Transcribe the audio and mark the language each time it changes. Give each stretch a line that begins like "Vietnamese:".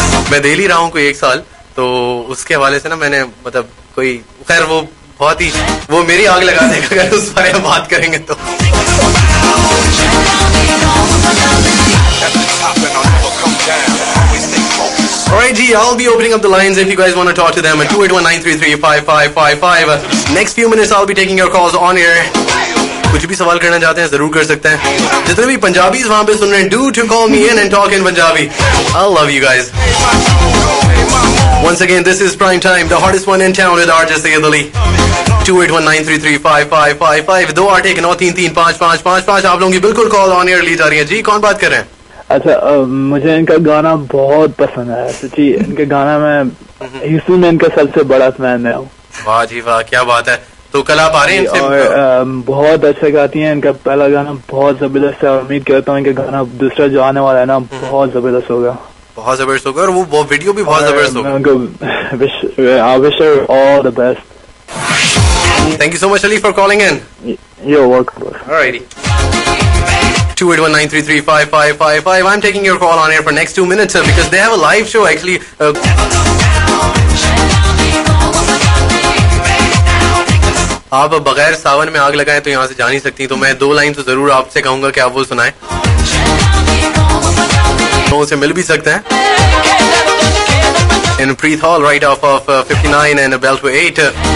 Hindi: मैं दिल्ली रहा हूँ कोई एक साल, तो उसके हवाले से ना मैंने मतलब कोई, खैर वो बहुत ही, वो मेरी आग लगा देगा अगर उस बारे में बात करेंगे तो.
English: Alright, gee, I'll be opening up the lines if you guys want to talk to them at 281-933-5555. Next few minutes, I'll be taking your calls on air.
Hindi: कुछ भी सवाल करना चाहते हैं जरूर कर सकते हैं. जितने भी पंजाबीज वहां पे सुन रहे हैं,
English: Do to call me in and talk in Punjabi. I love you guys. Once again, this is prime time, the hottest one in town with RJ Syed Ali. 281-933-5555. 2-8-1-9-3-3-5-5-5-5.
Hindi: आप लोगों की बिल्कुल कॉल ऑन एयर ली जा रही है. जी कौन बात कर रहे हैं? अच्छा, मुझे इनका गाना बहुत पसंद है सच्ची. इनके गाना में ह्यूस्टन में इनका सबसे बड़ा फैन मैं हूँ. वाह जी वाह, क्या बात है. तो कल आप आ रहे हैं? और बहुत अच्छा गाती हैं, इनका पहला गाना बहुत जबरदस्त है. उम्मीद करता हूँ इनका गाना दूसरा जो आने वाला है ना बहुत जबरदस्त होगा. बहुत जबरदस्त होगा और वो वीडियो भी बहुत जबरदस्त होगा. उनको
English: I wish her all the best. Thank you so much Ali for calling in. You are welcome. Alrighty, 281-933-5555. I'm taking your call on air for next 2 minutes because they have a live show actually.
Hindi: आप बगैर सावन में आग लगाएं तो यहाँ से जा नहीं सकती, तो मैं दो लाइन तो जरूर आपसे कहूंगा कि आप वो सुनाए, तो उनसे मिल भी सकते हैं इन प्रीत hall right of of 59 and belt 8.